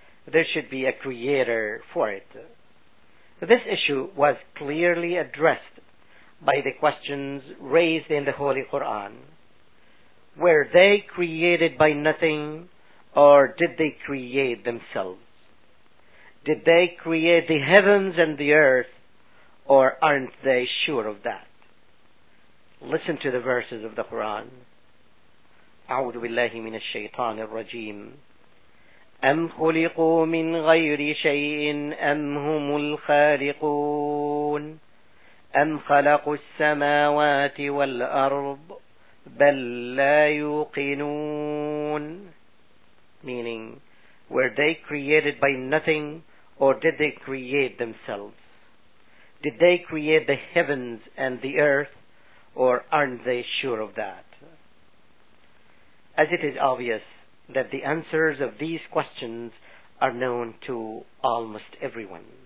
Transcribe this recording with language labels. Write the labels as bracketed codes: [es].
[en] There should be a creator for it. This issue was clearly addressed by the questions raised in the Holy Quran. Were they created by nothing, or did they create themselves? Did they create the heavens and the earth, or aren't they sure of that? Listen to the verses of the Quran. [ar] أعوذ بالله من الشيطان الرجيم أم خلقوا من غير شيء أم هم الخالقون أم خلقوا السماوات والأرض بل لا يوقنون. [en] Meaning, were they created by nothing, or did they create themselves? Did they create the heavens and the earth, or aren't they sure of that? As it is obvious that the answers of these questions are known to almost everyone.